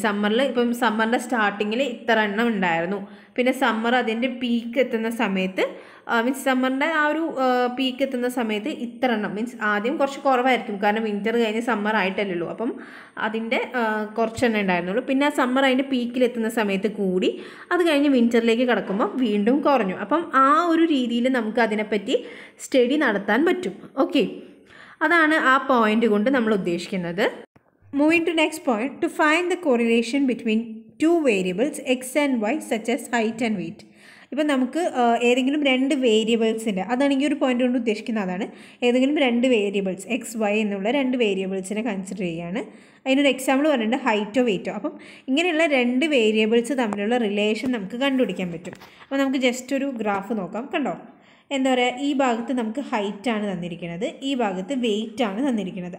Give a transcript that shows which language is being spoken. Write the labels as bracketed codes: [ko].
[ml] സമ്മറിൽ ഇപ്പം സമ്മറിൻ്റെ സ്റ്റാർട്ടിങ്ങിൽ ഇത്ര എണ്ണം ഉണ്ടായിരുന്നു, പിന്നെ സമ്മർ അതിൻ്റെ പീക്ക് എത്തുന്ന സമയത്ത് മീൻസ് സമ്മറിൻ്റെ ആ ഒരു പീക്ക് എത്തുന്ന സമയത്ത് ഇത്ര എണ്ണം, മീൻസ് ആദ്യം കുറച്ച് കുറവായിരിക്കും കാരണം വിൻ്റർ കഴിഞ്ഞ് സമ്മർ ആയിട്ടല്ലല്ലോ, അപ്പം അതിൻ്റെ കുറച്ചെണ്ണം ഉണ്ടായിരുന്നുള്ളൂ. പിന്നെ ആ സമ്മർ അതിൻ്റെ പീക്കിലെത്തുന്ന സമയത്ത് കൂടി, അത് കഴിഞ്ഞ് വിൻ്ററിലേക്ക് കടക്കുമ്പോൾ വീണ്ടും കുറഞ്ഞു. അപ്പം ആ ഒരു രീതിയിൽ നമുക്ക് അതിനെപ്പറ്റി സ്റ്റഡി നടത്താൻ പറ്റും. ഓക്കെ, അതാണ് ആ പോയിൻ്റ് കൊണ്ട് നമ്മൾ ഉദ്ദേശിക്കുന്നത്. [en] Moving to next point, to find the correlation between two variables x and y such as height and weight. [ml] ഇപ്പം നമുക്ക് ഏതെങ്കിലും രണ്ട് വേരിയബിൾസിൻ്റെ, അതാണ് ഈ ഒരു പോയിൻ്റ് കൊണ്ട് ഉദ്ദേശിക്കുന്നത്, അതാണ് ഏതെങ്കിലും രണ്ട് വേരിയബിൾസ് എക്സ് വൈ എന്നുള്ള രണ്ട് വേരിയബിൾസിനെ കൺസിഡർ ചെയ്യുകയാണ്. അതിനൊരു എക്സാമ്പിൾ പറയുന്നത് ഹൈറ്റോ വെയ്റ്റോ. അപ്പം ഇങ്ങനെയുള്ള രണ്ട് വേരിയബിൾസ് തമ്മിലുള്ള റിലേഷൻ നമുക്ക് കണ്ടുപിടിക്കാൻ പറ്റും. അപ്പം നമുക്ക് ജസ്റ്റ് ഒരു ഗ്രാഫ് നോക്കാം, കണ്ടോ. എന്താ പറയുക, ഈ ഭാഗത്ത് നമുക്ക് ഹൈറ്റാണ് തന്നിരിക്കുന്നത്, ഈ ഭാഗത്ത് വെയ്റ്റാണ് തന്നിരിക്കുന്നത്.